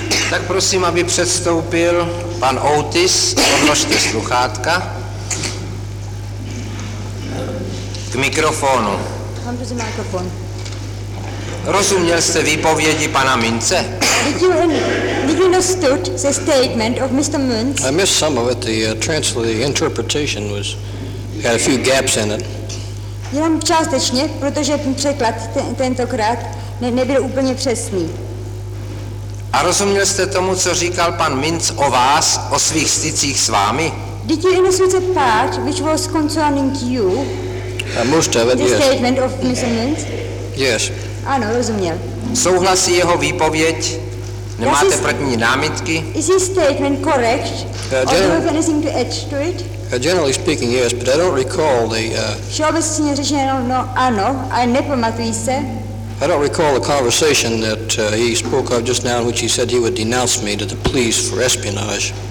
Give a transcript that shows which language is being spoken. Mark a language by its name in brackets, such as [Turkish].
[Czech] Tak prosím, aby předstoupil pan Otis, odložte sluchátka k mikrofonu. Mám přesně mikrofon. Rozuměl jste výpovědi pana Mince? [English] Did you understood the statement of Mr. Mintz? I missed some of it. The interpretation was had a few gaps in it. [Czech] Jenom částečně, protože překlad tentokrát nebyl úplně přesný. A rozuměl jste tomu, co říkal pan Mintz o vás, o svých stycích s vámi? [English] Did you understand the part which was concerning you? Most of it, the yes. Statement of Mr. Mintz? Yes. [Czech] Ano, rozuměl. Souhlasí jeho výpověď? Nemáte proti ní námitky? [English] Is his statement correct? Do you have anything to add to it? Generally speaking, yes, but I don't recall the... [Czech] Všeobecně řečeno, no, ano, a nepamatuji se. [English] I don't recall the conversation that he spoke of just now in which he said he would denounce me to the police for espionage.